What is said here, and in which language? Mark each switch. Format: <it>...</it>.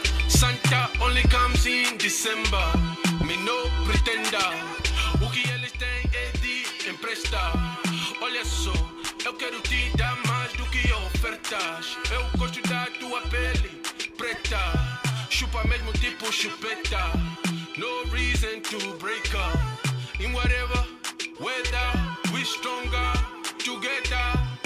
<en>Santa only comes in December. Me no pretender.</en> <pt>O que eles têm é de emprestar. Olha só, eu quero te dar mais do que ofertas. Eu gosto da tua pele preta. Chupa mesmo tipo chupeta.</pt> <en>No reason to break up. In whatever weather, we stronger together.</en>